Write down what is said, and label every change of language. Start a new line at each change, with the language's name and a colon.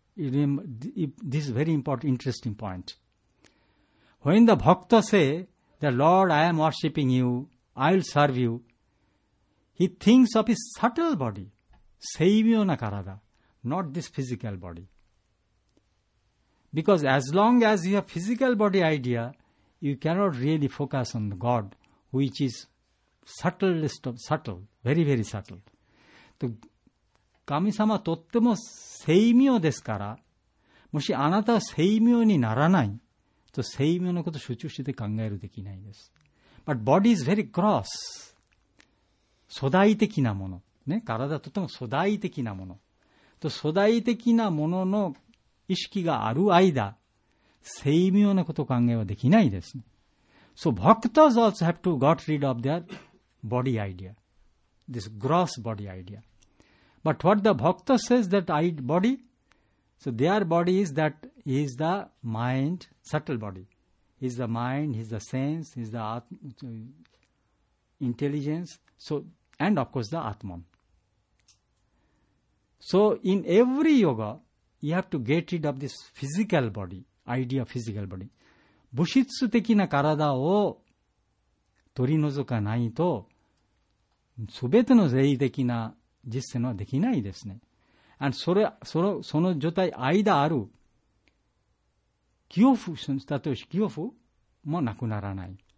English: This is a very important, interesting point. When the bhakta say, the Lord, I am worshipping you, I will serve you, he thinks of his subtle body, seivyona karada, not this physical body. Because as long as you have physical body idea, you cannot really focus on God. Which is subtle list of subtle, very very subtle.
Japanese: So, 神様とっても精妙ですから、もしあなたは精妙にならない、と精妙のことを集中して考えるできないです。
English: But body is very gross,
Japanese: 粗大的なもの、ね、体はとても粗大的なもの。と粗大的なものの意識がある間、精妙なことを考えはできないです。
English: So, bhaktas also have to get rid of their body idea, this gross body idea. But what the bhakta says that I body, so their body is that is the mind, subtle body. Is the mind, is the sense, is the intelligence, so, and of course the atman. So, in every yoga, you have to get rid of this physical body, idea of physical body.
Japanese: 物質的な体を取り除かないと、すべての霊的な実践はできないですね。And それ、その状態、間ある、記憶したとし記憶もなくならない。